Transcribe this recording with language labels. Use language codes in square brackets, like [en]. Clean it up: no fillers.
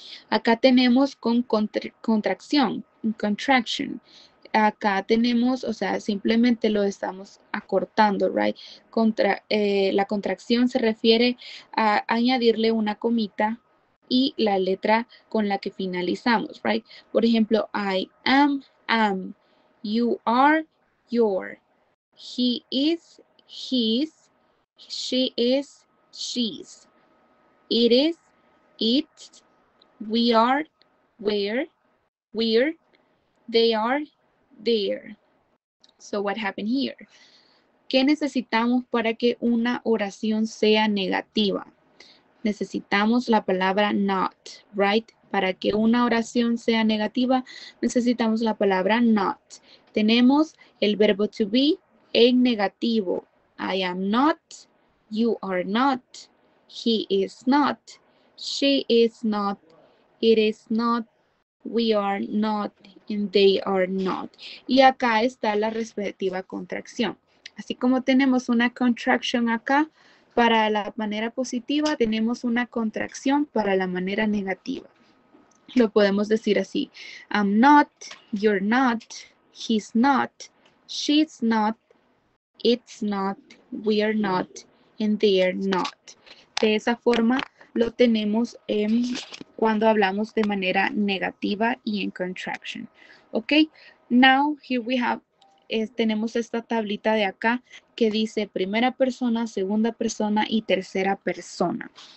[es] Acá tenemos con contraction. Acá tenemos, o sea, simplemente lo estamos acortando, right? La contracción se refiere a añadirle una comita y la letra con la que finalizamos, right? Por ejemplo, [en] I am, you are, your, he is, his, she is, she's, it is, it's, we are, we're, they are, there. So what happened here? [es] ¿Qué necesitamos para que una oración sea negativa? Necesitamos la palabra not, right? Para que una oración sea negativa, necesitamos la palabra not. Tenemos el verbo to be en negativo. [en] I am not, you are not, he is not, she is not, it is not, we are not, and they are not. [es] Y acá está la respectiva contracción. Así como tenemos una contraction acá, para la manera positiva, tenemos una contracción para la manera negativa. Lo podemos decir así. [en] I'm not, you're not, he's not, she's not, it's not, we are not, and they are not. [es] De esa forma lo tenemos cuando hablamos de manera negativa y en contraction. [en] Ok, now here we have. [es] Tenemos esta tablita de acá que dice primera persona, segunda persona y tercera persona.